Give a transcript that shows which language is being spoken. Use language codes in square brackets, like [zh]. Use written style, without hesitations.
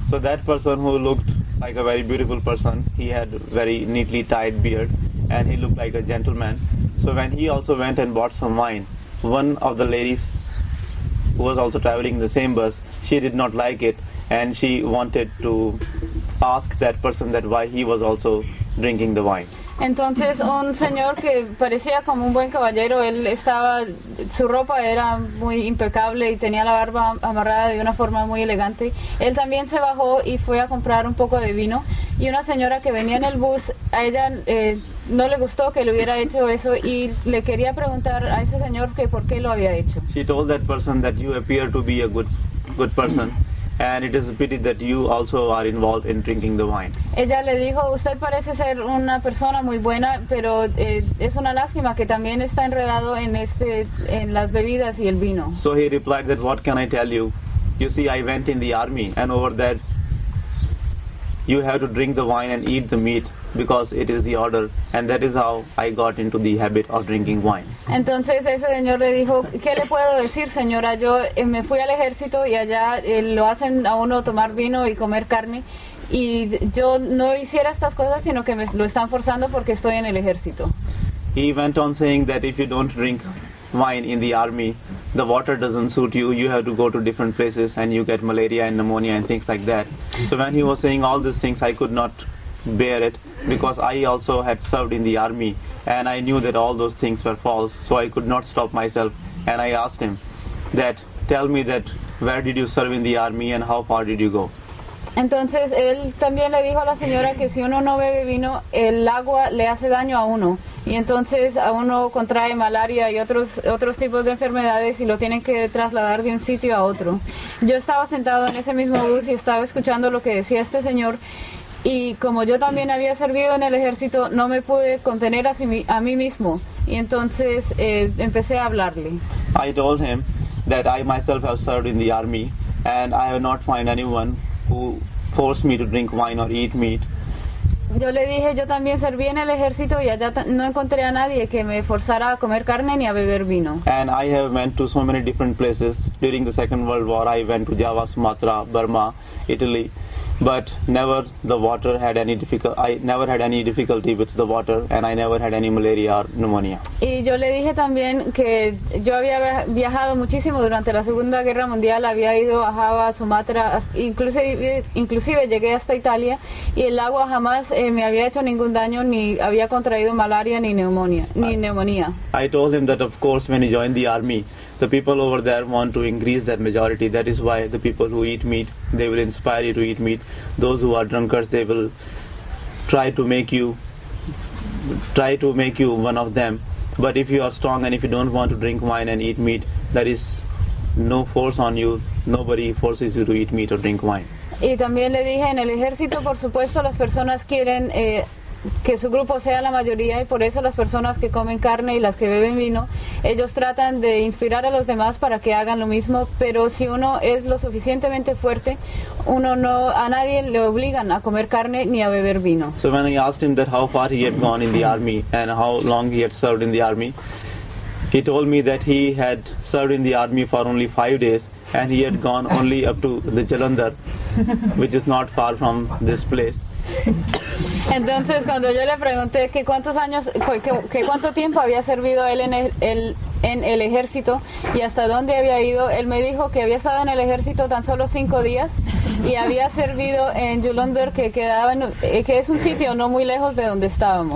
[en] So that person who looked like a very beautiful person, he had very neatly tied beard, and he looked like a gentleman. So when he also went and bought some wine, one of the ladies who was also traveling in the same bus, she did not like it, and she wanted to ask that person that why he was also drinking the wine. [es] Entonces un señor que parecía como un buen caballero, él estaba, su ropa era muy impecable y tenía la barba amarrada de una forma muy elegante. Él también se bajó y fue a comprar un poco de vino, y una señora que venía en el bus, a ella no le gustó que le hubiera hecho eso, y le quería preguntar a ese señor que por qué lo había hecho. [en] She told that person that you appear to be a good person, and it is a pity that you also are involved in drinking the wine. [es] Ella le dijo, usted parece ser una persona muy buena, pero es una lástima que también está enredado en este, en las bebidas y el vino. [en] So he replied that, what can I tell you? You see, I went in the army, and over there you have to drink the wine and eat the meat, because it is the order, and that is how I got into the habit of drinking wine. [es] Entonces ese señor le dijo, ¿qué le puedo decir, señora? Yo me fui al ejército, y allá lo hacen a uno tomar vino y comer carne, y yo no hiciera estas cosas, sino que me lo están forzando porque estoy en el ejército. [en] He went on saying that if you don't drink wine in the army, the water doesn't suit you, you have to go to different places and you get malaria and pneumonia and things like that. So when he was saying all these things, I could not bear it, because I also had served in the army, and I knew that all those things were false, so I could not stop myself, and I asked him that, tell me that, where did you serve in the army and how far did you go? [es] Entonces él también le dijo a la señora que si uno no bebe vino, el agua le hace daño a uno, y entonces a uno contrae malaria y otros tipos de enfermedades, y lo tienen que trasladar de un sitio a otro. Yo estaba sentado en ese mismo bus y estaba escuchando lo que decía este señor, y como yo también había servido en el ejército, no me pude contener a mí mismo, y entonces empecé a hablarle. [en] I told him that I myself have served in the army, and I have not found anyone who forced me to drink wine or eat meat. [es] Yo le dije, yo también serví en el ejército, y allá no encontré a nadie que me forzara a comer carne ni a beber vino. [en] And I have went to so many different places during the Second World War. I went to Java, Sumatra, Burma, Italy, but never the water had any difficulty. I never had any difficulty with the water, and I never had any malaria or pneumonia. [es] Y yo le dije también que yo había viajado muchísimo durante la Segunda Guerra Mundial. Había ido a Java, Sumatra, inclusive llegué hasta Italia, y el agua jamás me había hecho ningún daño, ni había contraído malaria ni neumonía. [en] I told him that of course when he joined the army, the people over there want to increase their majority. That is why the people who eat meat, they will inspire you to eat meat. Those who are drunkards, they will try to make you one of them. But if you are strong and if you don't want to drink wine and eat meat, there is no force on you. Nobody forces you to eat meat or drink wine. [es] Y también le dije, en el ejército, por supuesto, las personas quieren que su grupo sea la mayoría, y por eso las personas que comen carne y las que beben vino, ellos tratan de inspirar a los demás para que hagan lo mismo, pero si uno es lo suficientemente fuerte, uno no, a nadie le obligan a comer carne ni a beber vino. [en] So when I asked him that how far he had gone in the army and how long he had served in the army, he told me that he had served in the army for only 5 days, and he had gone only up to the Jalandhar, which is not far from this place. [es] Entonces cuando yo le pregunté que cuánto tiempo había servido él en el ejército y hasta dónde había ido, él me dijo que había estado en el ejército tan solo 5 días y había servido en Jalandhar, que es un sitio no muy lejos de donde estábamos.